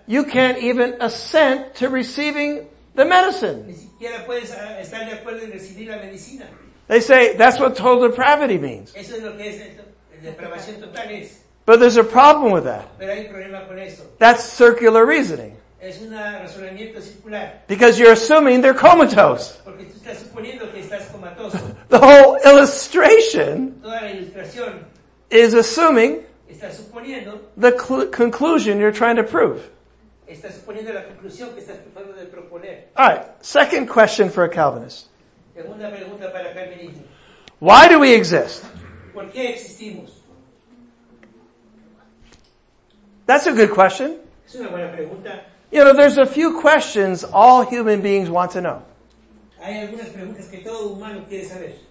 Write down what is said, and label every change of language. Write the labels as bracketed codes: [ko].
[en] You can't even assent to receiving the medicine. [es] Ni siquiera puedes estar de acuerdo en recibir la medicina. [en] They say that's what total depravity means. [es] Eso es lo que es depravación total es. [en] But there's a problem with that. [es] Pero hay un problema con eso. [en] That's circular reasoning. [es] Es un razonamiento circular. [en] Because you're assuming they're comatose. [es] Porque tú estás suponiendo que estás comatoso. [en] The whole illustration. [es] Toda la ilustración. [en] Is assuming. [es] Está suponiendo. [en] The conclusion you're trying to prove. [es] Está suponiendo la conclusión que estás tratando de proponer. [en] All right. Second question for a Calvinist. [es] Segunda pregunta para el calvinismo. [en] Why do we exist? [es] ¿Por qué existimos? [en] That's a good question. [es] Es una buena pregunta. [en] You know, there's a few questions all human beings want to know. [es] Hay algunas preguntas que todo humano quiere saber.